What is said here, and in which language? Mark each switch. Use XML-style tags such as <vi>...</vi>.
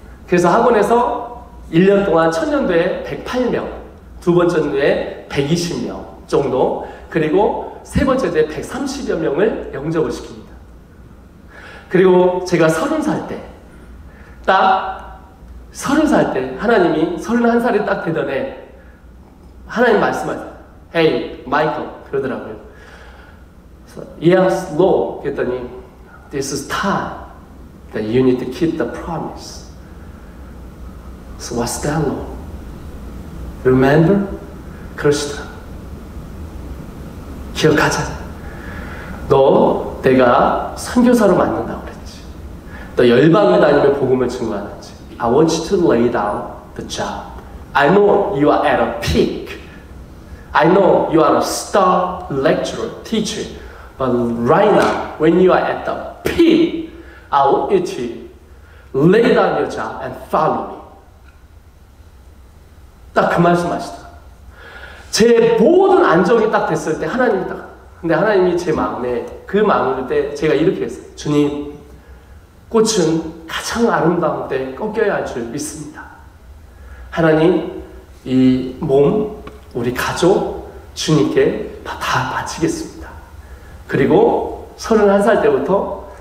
<ko>그래서 학원에서 1년 동안 첫년도에 108명, 두 번째 년도에 120명 정도, 그리고 세 번째 년도에 130여 명을 영접을 시킵니다. 그리고 제가 30살 때, 딱 30살 때 하나님이 31살이 딱 되던 해 하나님 말씀하세요. Hey, Michael 그러더라고요.</ko> <en>Yes, Lord</en> <ko>그랬더니</ko> <en>This is time that you need to keep the promise. So what's that law? Remember?</en> <ko>그러시더라. 기억하자. 너 내가 선교사로 만든다고 그랬지. 너 열방을 다니며 복음을 증거하는지.</ko> <en>I want you to lay down the job. I know you are at a peak. I know you are a star lecturer, teacher. But right now, when you are at the peak, I want you to lay down your job and follow me.</en> <ko>딱 그 말씀 하시다. 제 모든 안정이 딱 됐을 때 하나님이 딱. 근데 하나님이 제 마음에 그 마음일 때 제가 이렇게 했어요. 주님, 꽃은 가장 아름다운 때 꺾여야 할 줄 믿습니다. 하나님, 이 몸, 우리 가족, 주님께 다 바치겠습니다. 그리고 31살 때부터</ko>